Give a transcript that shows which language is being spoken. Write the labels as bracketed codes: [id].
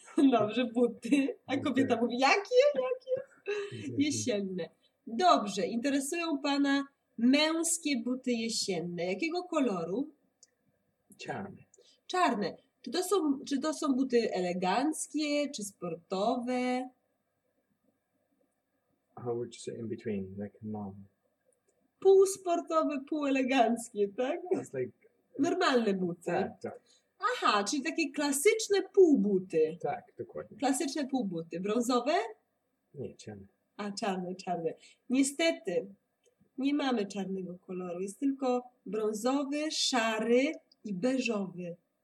[pl] Dobrze, buty. A kobieta mówi, jakie? Jesienne. Dobrze, interesują pana męskie buty jesienne. Jakiego koloru? Czarne. Czarne. Czy to są buty eleganckie, czy sportowe? [en] How would you say in between, like mom? [pl] Pół sportowe, pół eleganckie, tak? [en] That's like... [pl] Normalne buty. Tak. Aha, czyli takie klasyczne półbuty. Tak, dokładnie. Klasyczne półbuty. Brązowe? Nie, czarne. A, czarne. Niestety, nie mamy czarnego koloru. Jest tylko brązowy, szary i beżowy.